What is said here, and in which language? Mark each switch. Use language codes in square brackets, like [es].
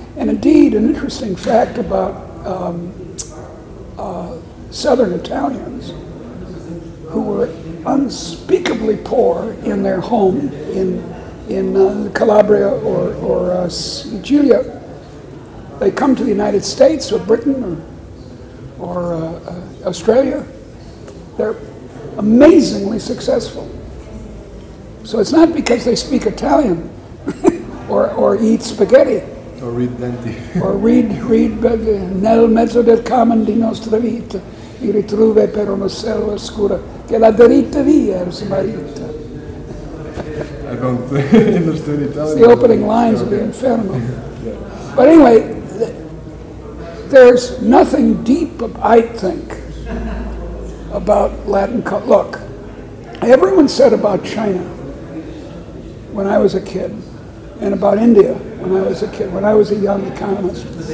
[en] And indeed, an interesting fact about Southern Italians, who were unspeakably poor in their home in Calabria or Sicilia, they come to the United States or Britain or Australia, they're amazingly successful. So it's not because they speak Italian or eat spaghetti. Or read Dante. Or read [it] nel mezzo del camin di nostra vita, mi ritrove per una selva scura, che la dritta via è smarrita. [en] I don't understand Italian. It's the opening lines of the Inferno. Yeah. But anyway, there's nothing deep, I think, about Latin culture. Look, everyone said about China when I was a kid, and about India when I was a kid, when I was a young economist.